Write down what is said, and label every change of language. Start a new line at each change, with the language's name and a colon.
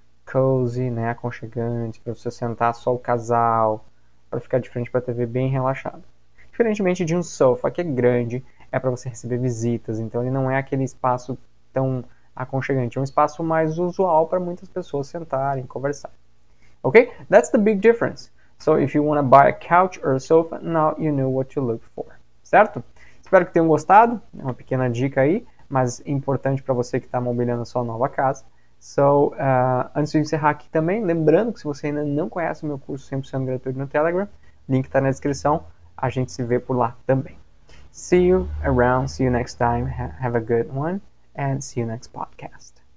Portuguese: Cozy, né, aconchegante, para você sentar só o casal, para ficar de frente para a TV bem relaxado. Diferentemente de um sofá que é grande, é para você receber visitas, então ele não é aquele espaço tão aconchegante, é um espaço mais usual para muitas pessoas sentarem e conversar.
English: Ok? That's the big difference. So if you want to buy a couch or a sofa, now you know what to look for.
Portuguese: Certo? Espero que tenham gostado. É uma pequena dica aí, mas importante para você que está mobiliando a sua nova casa. So, antes de encerrar aqui também, lembrando que se você ainda não conhece o meu curso 100% gratuito no Telegram, link está na descrição, a gente se vê por lá também.
English: See you around, see you next time, have a good one, and see you next podcast.